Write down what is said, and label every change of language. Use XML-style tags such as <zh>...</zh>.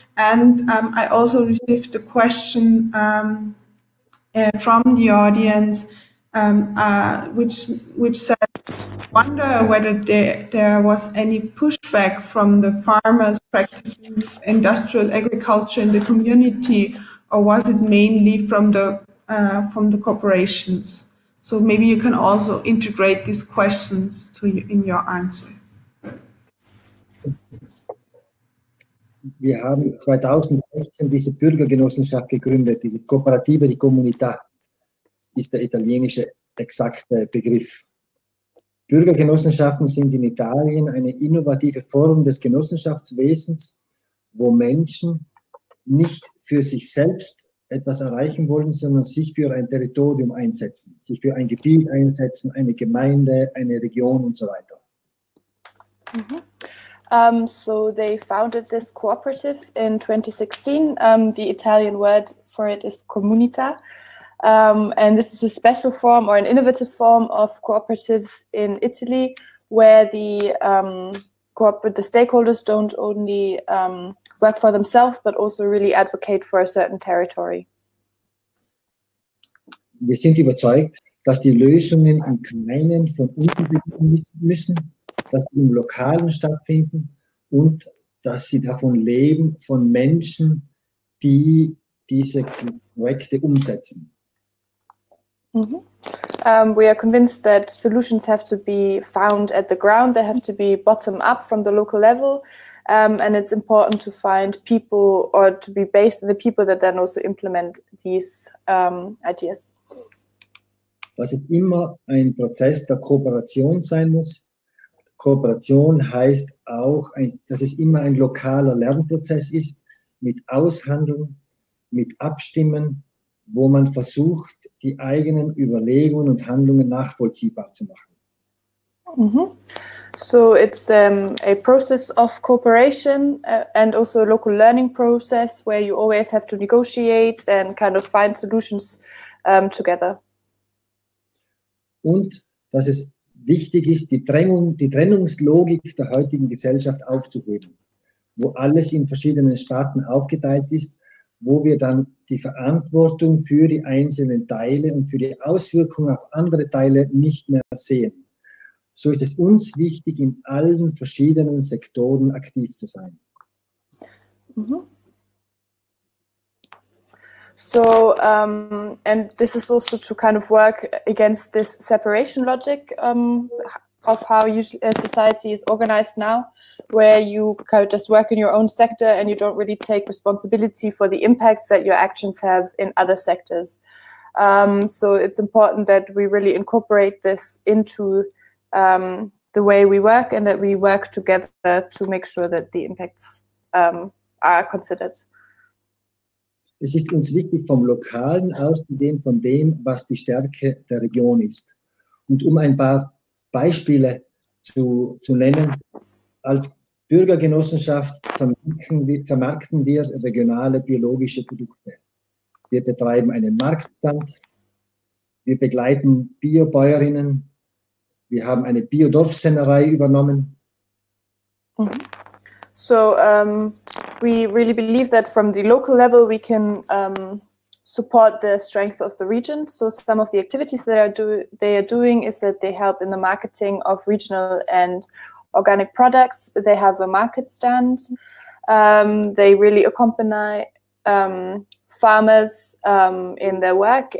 <en>And I also received a question from the audience, which said, wonder whether there was any pushback from the farmers practicing industrial agriculture in the community, or was it mainly from the corporations? So maybe you can also integrate these questions to you in your answer.</en> <de>Wir haben 2016 diese Bürgergenossenschaft gegründet, diese Cooperative di Comunità, ist der italienische exakte Begriff. Bürgergenossenschaften sind in Italien eine innovative Form des Genossenschaftswesens, wo Menschen nicht für sich selbst etwas erreichen wollen, sondern sich für ein Territorium einsetzen, sich für ein Gebiet einsetzen, eine Gemeinde, eine Region und so weiter.</de> <en>Mm-hmm. So they founded this cooperative in 2016. The Italian word for it is comunità. And this is a special form or an innovative form of cooperatives in Italy, where the stakeholders don't only work for themselves, but also really advocate for a certain territory.</en> <de>Wir sind überzeugt, dass die Lösungen im Kleinen von unten beginnen müssen, dass sie im Lokalen stattfinden und dass sie davon leben, von Menschen, die diese Projekte umsetzen. Mm-hmm.</de> <en>We are convinced that solutions have to be found at the ground, they have to be bottom up from the local level. And it's important to find people or to be based on the people that then also implement these ideas.</en> <de>Das ist immer ein Prozess der Kooperation sein muss. Kooperation heißt auch, dass es immer ein lokaler Lernprozess ist, mit Aushandeln, mit Abstimmen, wo man versucht, die eigenen Überlegungen und Handlungen nachvollziehbar zu machen. Mm-hmm.</de> <en>So it's a process of cooperation and also a local learning process where you always have to negotiate and kind of find solutions together.</en> <de>Und dass es wichtig ist, die Trennungslogik der heutigen Gesellschaft aufzugeben, wo alles in verschiedenen Sparten aufgeteilt ist, wo wir dann die Verantwortung für die einzelnen Teile und für die Auswirkungen auf andere Teile nicht mehr sehen. So ist es uns wichtig, in allen verschiedenen Sektoren aktiv zu sein. Mm-hmm.</de> <en>So, and this is also to kind of work against this separation logic of how society is organized now, where you kind of just work in your own sector and you don't really take responsibility for the impacts that your actions have in other sectors. So it's important that we really incorporate this into the way we work and that we work together to make sure that the impacts are considered.</en> <de>Es ist uns wichtig, vom Lokalen auszugehen, von dem, was die Stärke der Region ist. Und um ein paar Beispiele zu nennen, als Bürgergenossenschaft vermarkten wir regionale biologische Produkte. Wir betreiben einen Marktstand, wir begleiten Biobäuerinnen, wir haben eine Biodorfsennerei übernommen.</de> <en>So, we really believe that from the local level we can support the strength of the region. So some of the activities that they are doing is that they help in the marketing of regional and organic products. They have a market stand. They really accompany farmers in their work.</en>